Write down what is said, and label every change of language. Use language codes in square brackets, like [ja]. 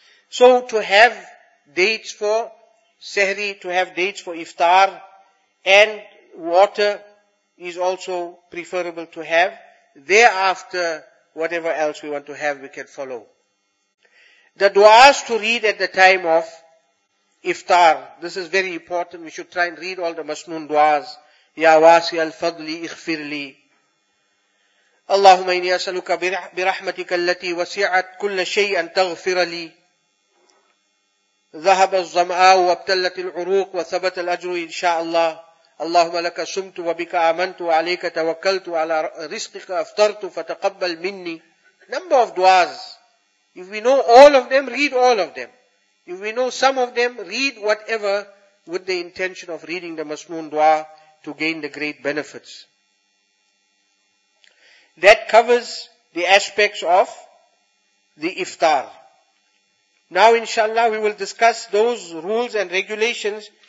[en] So to have dates for Sehri, to have dates for Iftar, and water is also preferable to have. Thereafter, whatever else we want to have, we can follow. The du'as to read at the time of Iftar, this is very important. We should try and read all the Masnoon du'as. [ar] Ya wasi al-fadli ighfirli. اللهم إني أسألك برحمتك التي وسعت كل شيء أن تغفر لي ذهب الظماء وابتلت العروق وثبت الأجر إن شاء الله اللهم لك صمت وبك آمنت وعليك توكلت وعلى رزقك أفطرت فتقبل مني. [en] Number of du'as. If we know all of them, read all of them. If we know some of them, read whatever with the intention of reading the Masnoon du'a to gain the great benefits. That covers the aspects of the iftar. Now inshallah we will discuss those rules and regulations